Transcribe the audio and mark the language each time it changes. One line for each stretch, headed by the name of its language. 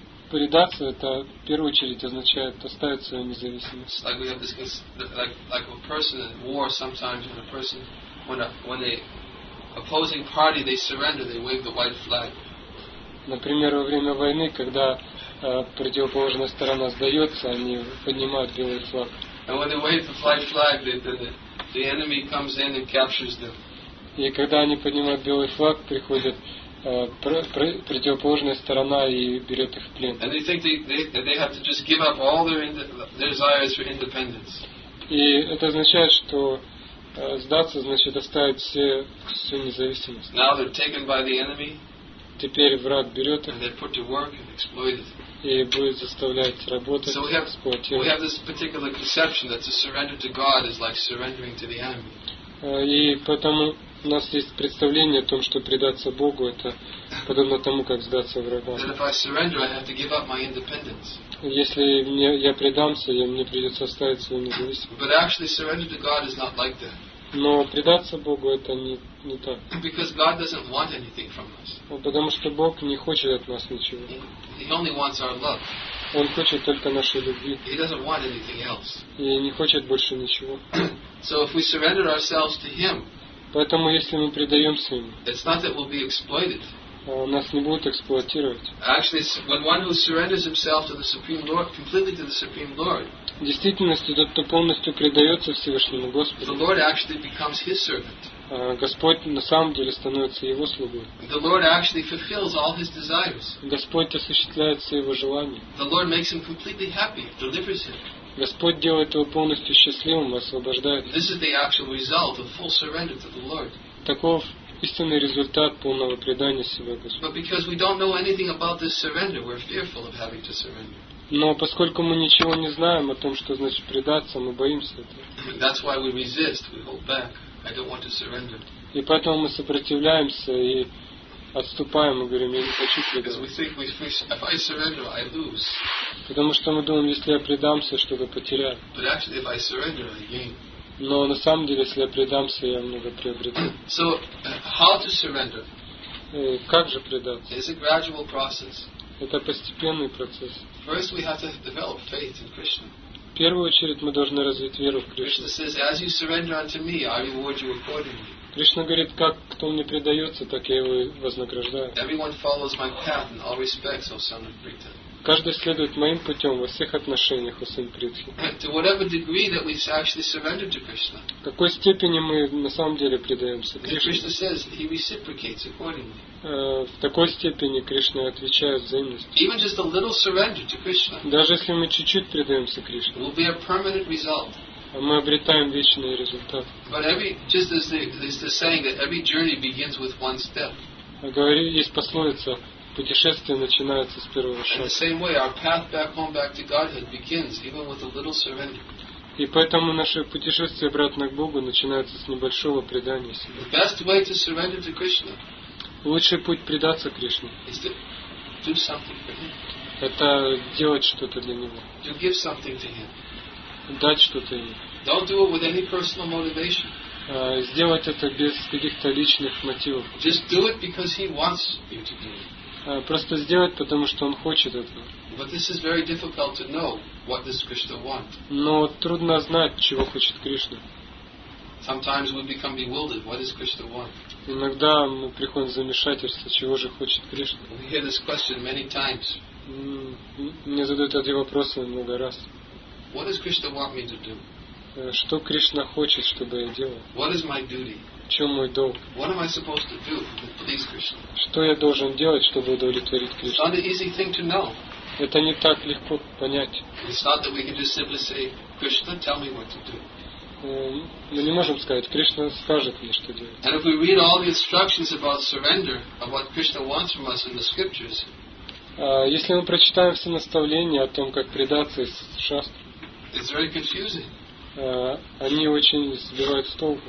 Russian: Предаться, это в первую очередь означает оставить свою независимость.
English: Like we have this, like a person in war sometimes, when a person, when the opposing party, they surrender, they wave the white flag.
Russian: Например, во время войны, когда противоположная сторона сдается, они поднимают белый флаг.
English: And when they wave the white flag, the enemy comes in and captures them.
Russian: И когда они поднимают белый флаг, приходят противоположная сторона и берет их в плен.
English: And they think they have to just give up all their desires for independence.
Russian: И это означает, что сдаться значит оставить всю независимость.
English: Now they're taken by the enemy.
Russian: Теперь враг берет их.
English: And they're put to work and exploited.
Russian: И будет заставлять работать.
English: So we have this particular conception that to surrender to God is like surrendering to the enemy.
Russian: И потому у нас есть представление о том, что предаться Богу – это подобно тому, как сдаться врагам. Если я предамся, мне придется оставить свою независимость. Но предаться Богу – это не так.
English: Because God doesn't want anything from us.
Russian: Потому что Бог не хочет от нас ничего.
English: He only wants our love.
Russian: Он хочет только нашей любви.
English: He doesn't want anything else.
Russian: И не хочет больше ничего.
English: So if we surrender ourselves to him,
Russian: поэтому если мы предаемся ему,
English: it's not that we'll be exploited.
Russian: Нас не будут эксплуатировать.
English: Actually, when one who surrenders himself to the Supreme Lord, completely to the Supreme Lord,
Russian: в действительности тот, кто полностью предается Всевышнему Господу,
English: the Lord actually becomes his servant.
Russian: Господь на самом деле становится его слугой.
English: The Lord actually fulfills all his desires.
Russian: Господь осуществляет все его желания.
English: The Lord makes him completely happy, delivers him.
Russian: Господь делает его полностью счастливым, освобождает.
English: This is the actual result of full surrender to the Lord.
Russian: Таков истинный результат полного предания себя Господу.
English: But because we don't know anything about this surrender, we're fearful of having to surrender.
Russian: Но поскольку мы ничего не знаем о том, что значит предаться, мы боимся этого.
English: That's why we resist, we hold back. I don't want to surrender.
Russian: И поэтому мы сопротивляемся и отступаем, мы говорим, я не хочу предаться. Потому что мы думаем, если я предамся, что-то потеряю.
English: But actually, if I surrender, I gain.
Russian: Но на самом деле, если я предамся, я много приобрету.
English: So, how to surrender?
Russian: Как же предаться?
English: It's a gradual process.
Russian: Это постепенный процесс.
English: First we have to develop faith in Krishna.
Russian: В первую очередь мы должны развить веру в Кришну.
English: Krishna says, as you surrender unto me, I reward you accordingly.
Russian: Кришна говорит, как кто мне предается, так я его и вознаграждаю.
English: Everyone follows my path in all respects, O son of Pritha.
Russian: Каждый следует моим путем во всех отношениях, о сын Притхи.
English: To whatever degree that we actually surrender to Krishna.
Russian: В какой степени мы на самом деле предаемся
English: Кришне? Krishna says he reciprocates accordingly.
Russian: В такой степени Кришна отвечает взаимностью.
English: Even just a little surrender to Krishna.
Russian: Даже если мы чуть-чуть предаемся Кришне.
English: Will be a permanent result.
Russian: Мы обретаем вечный результат.
English: But every, just as the saying that every journey begins with one step.
Russian: Есть пословица. Путешествие начинается с первого шага.
English: In the same way, our path back home, back to Godhead begins even with a little surrender.
Russian: И поэтому наше путешествие обратно к Богу начинается с небольшого предания себе.
English: The best way to surrender to Krishna.
Russian: Лучший путь предаться Кришне.
English: Is to do something for him.
Russian: Это делать что-то для него.
English: To give something to him.
Russian: дать что-то им.
English: Don't do it with any personal motivation.
Russian: Сделать это без каких-то личных мотивов.
English: Just do it because he wants you to do it.
Russian: Просто сделать, потому что он хочет этого.
English: But this is very difficult to know what does Krishna want.
Russian: Но трудно знать, чего хочет Кришна.
English: Sometimes we become bewildered. What does Krishna want?
Russian: Иногда мы приходим в замешательство, чего же хочет Кришна.
English: We hear this question many times.
Russian: Мне задают эти вопросы много раз.
English: What does Krishna want me to do?
Russian: Что Кришна хочет, чтобы я делал?
English: What is my duty?
Russian: В чем мой долг?
English: What am I supposed to do to please Krishna?
Russian: Что я должен делать, чтобы удовлетворить Кришну?
English: It's not an easy thing to know.
Russian: Это не так легко понять.
English: It's not that we can just simply say, Krishna, tell me what to do.
Russian: Мы не можем сказать, Кришна скажет мне, что делать.
English: And if we read all the instructions about surrender, of what Krishna wants from us in the scriptures.
Russian: Если мы прочитаем все наставления о том, как предаться шастре,
English: it's very confusing.
Russian: Они очень сбивают с толку.